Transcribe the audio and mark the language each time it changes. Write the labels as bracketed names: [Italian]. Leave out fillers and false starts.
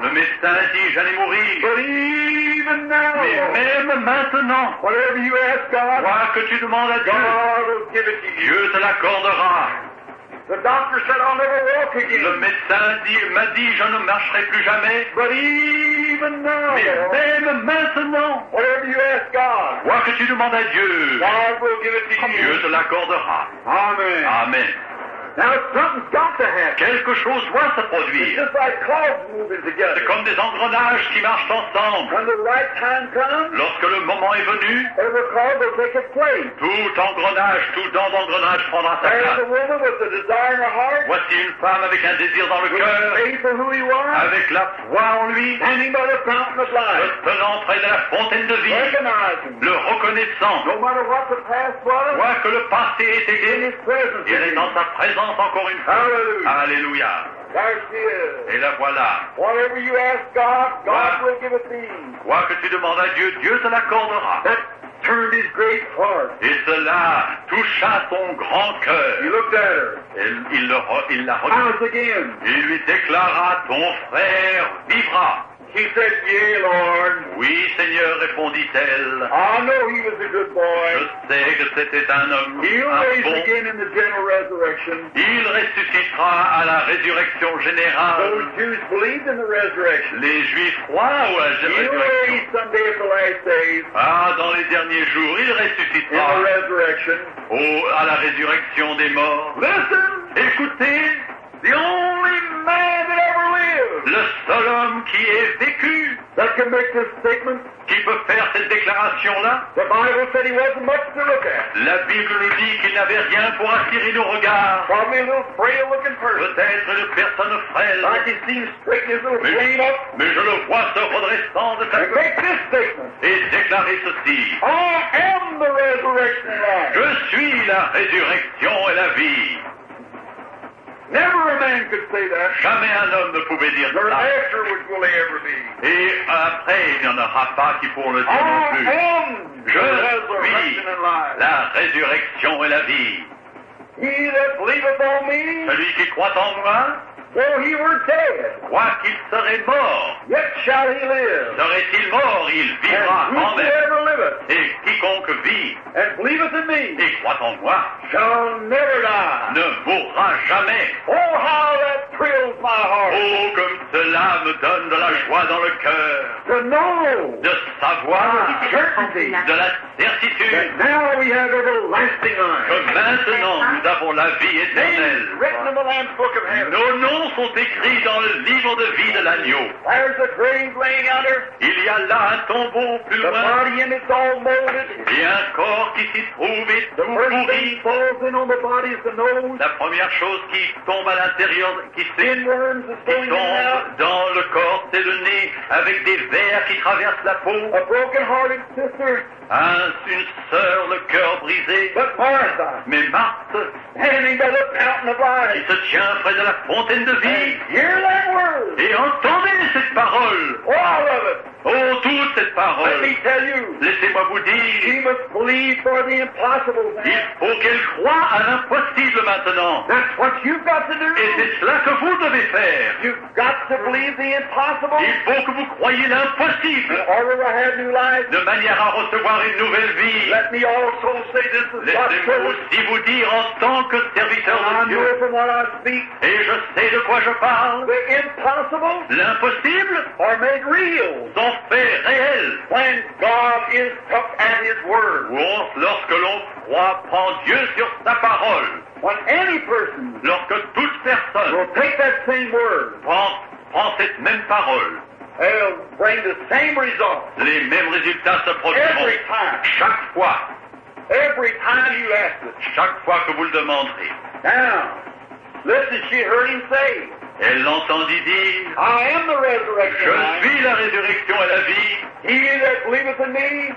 [French] Le médecin a dit, j'allais mourir. [English] But even now, [French] mais même maintenant, [English] whatever you ask God, [French] quoi que tu demandes à Dieu, [English] God will give it to you. [French] Dieu te l'accordera. [English] The doctor said I'll never walk again. [French] Le médecin m'a dit, je ne marcherai plus jamais. [English] But even now, [French] mais même maintenant, [English] whatever you ask God, [French] quoi que tu demandes à Dieu, [English] God will give it to you. [French] Dieu te l'accordera. Amen. Amen. [English] Now something's got to happen. [French] Quelque chose doit se produire. [English] It's just like cars moving together. [French] C'est comme des engrenages qui marchent ensemble. [English] When the right time comes, [French] lorsque le moment est venu, [English] every car will take its place. [French] Tout dent d'engrenage prendra sa place. [English] There's a woman with a desire in her heart. [French] Voici une femme avec un désir dans le cœur. [English] With faith in who he was. [French] Avec la foi en lui. [English] Standing by the fountain of life. [French] Se tenant près de la fontaine de vie. [English] Recognizing. [French] Le reconnaissant. [English] No matter what the past was. [French] Quoi que le passé ait été. [English] In his presence. [French] Il est dans sa présence. Encore une fois. [English] Hallelujah. [French] Alléluia. [English] There she is. [French] Et la voilà. [English] Whatever you ask God, God will give it to you. [French] Quoi que tu demandes à Dieu, Dieu te l'accordera. [English] That turned his great heart. [French] Et cela toucha son grand cœur. [English] He looked at her. [French] Il la regarda. Il lui déclara, ton frère vivra. [English] He said, yea, Lord. [French] Oui, Seigneur, répondit-elle. [English] I know he was a good boy. [French] Je sais que c'était un homme. [English] Again in the general resurrection. [French] Il ressuscitera à la résurrection générale. [English] Those Jews believed in the resurrection. [French] Les Juifs croient à la résurrection. [English] He'll raise someday at the last days. [French] Ah, dans les derniers jours, il ressuscitera. [English] In the resurrection. [French] À la résurrection des morts. [English] Listen! [French] Écoutez! [English] The only man that ever lived. [French] Le seul homme qui ait vécu. [English] That can make this statement. [French] Qui peut faire cette déclaration-là. [English] The Bible said he wasn't much to look at. [French] La Bible nous dit qu'il n'avait rien pour attirer nos regards. [English] Probably a little frail-looking person. [French] Peut-être une personne frêle. [English] Like he seems straight as a little up. [French] Mais je le vois se redressant de sa [English] make this statement. [French] Et déclarer ceci. [English] I am the resurrection life. [French] Je suis la résurrection et la vie. [English] Never a man could say that. [French] Jamais un homme ne pouvait dire [English] Your Your master would will he ever be. [French] Et après, il n'y en aura pas qui pourront le dire non plus. [English] I am [French] Je suis la résurrection et la vie. [English] He that believeth on me, [French] celui qui croit en moi, [English] though he were dead, [French] quoi qu'il serait mort, [English] yet shall he live. [French] Serait-il mort, il vivra quand même. Et quiconque vit [English] and believeth in me, [French] et croit en moi [English] shall never die. [French] Ne mourra jamais. [English] Oh, how that thrills my heart. [French] Oh, comme cela me donne de la joie dans le cœur. [English] To know [French] de savoir [English] certainty, [French] de la certitude [English] that now we have everlasting life. [French] Que maintenant nous avons la vie éternelle. [English] Written in the Lamb's Book of Heaven. [French] Nos noms sont écrits dans le livre de vie de l'agneau. [English] There's a grave laying under. [French] Il y a là un tombeau plus the loin. [English] It's all molded. [French] Et un corps qui s'y trouve est the tout pourri. [English] Falls in on the body is the nose. [French] La première chose qui tombe à l'intérieur, qui tombe dans le corps, c'est le nez, avec des vers qui traversent la peau. [English] A broken-hearted sister. [French] Une sœur, le cœur brisé. [English] But Martha, [French] mais Marthe, [English] standing by the fountain of life, [French] qui se tient près de la fontaine de vie. [English] And hear that word. [French] Et entendez cette parole. [English] All of it. [French] Oh, toute cette parole. [English] Let me tell you. [French] Laissez-moi vous dire. [English] She must believe for the impossible now. [French] Il faut qu'elle croie à l'impossible maintenant. [English] That's what you've got to do. [French] Et c'est cela que vous devez faire. [English] You've got to believe the impossible. [French] Il faut que vous croyiez l'impossible. [English] In order to have new life. [French] De manière à recevoir une nouvelle vie. [English] Let me also say this is [French] Laissez-moi aussi vous dire en tant que serviteur de Dieu. [English] I know from what I speak. [French] Et je sais de quoi je parle. [English] The impossible. [French] L'impossible. [English] Are made real. [French] Sont faits réels. [English] When God is up at His word. [French] Lorsque l'on croit, prend Dieu sur sa parole. [English] When any person. [French] Lorsque toute personne. [English] Will take that same word. [French] Prend cette même parole. [English] They'll bring the same results. [French] Les mêmes résultats se produiront. [English] Every time. [French] Chaque fois. [English] Every time you ask it. [French] Chaque fois que vous le demanderez. [English] Now, listen. She heard him say. [French] Elle l'entendit dire, [English] I am the resurrection. [French] Je suis la résurrection et la vie. [English] He that believeth in me,